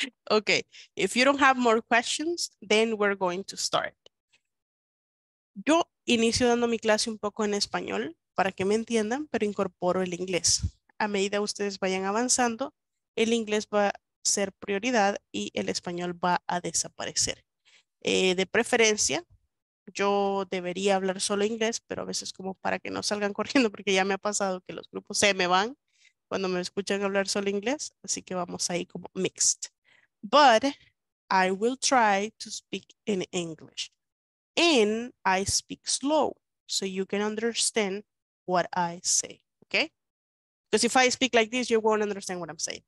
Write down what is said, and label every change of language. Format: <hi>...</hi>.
<en>Okay, if you don't have more questions, then we're going to start.</en> <es>Yo inicio dando mi clase un poco en español para que me entiendan, pero incorporo el inglés. A medida que ustedes vayan avanzando, el inglés va a ser prioridad y el español va a desaparecer. De preferencia, yo debería hablar solo inglés, pero a veces como para que no salgan corriendo, porque ya me ha pasado que los grupos se me van cuando me escuchan hablar solo inglés, así que vamos ahí como mixed.</es> <en>But I will try to speak in English. And I speak slow, so you can understand what I say, okay? Because if I speak like this, you won't understand what I'm saying.</en>